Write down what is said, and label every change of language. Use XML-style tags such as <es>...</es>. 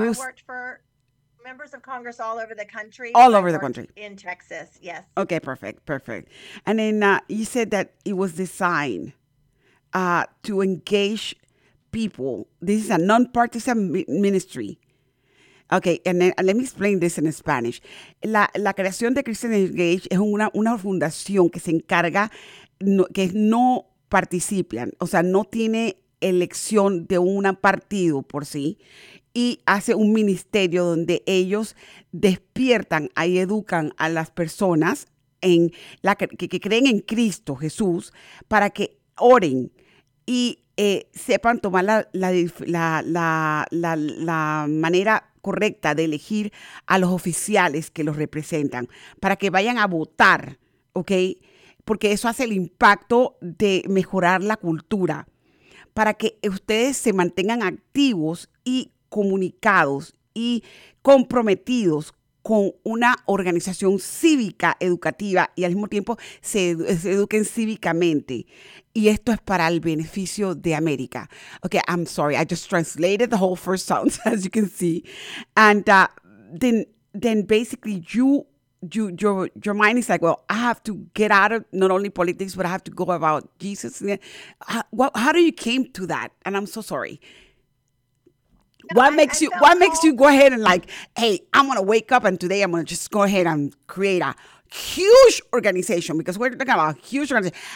<en>worked for members of Congress all over the country. All over the country. In Texas, yes. Okay, perfect, perfect. And then you said that it was designed to engage people. This is a nonpartisan ministry. Okay, and then let me explain this in Spanish.</en> <es>La creación de Christian Engage es una fundación que se encarga, que no participan, o sea, no tiene elección de un partido por sí, y hace un ministerio donde ellos despiertan, ahí educan a las personas en la que creen en Cristo Jesús para que oren y sepan tomar la manera correcta de elegir a los oficiales que los representan para que vayan a votar, ¿ok? Porque eso hace el impacto de mejorar la cultura para que ustedes se mantengan activos y comunicados y comprometidos con una organización cívica educativa y al mismo tiempo se eduquen cívicamente. Y esto es para el beneficio de América.</es> <en>Okay, I'm sorry. I just translated the whole first sentence, as you can see. And then basically your mind is like, well, I have to get out of not only politics, but I have to go about Jesus. How do you came to that? And I'm so sorry. What makes you go ahead and like, hey, I'm going to wake up and today I'm going to just go ahead and create a huge organization because we're talking about a huge organization.</en>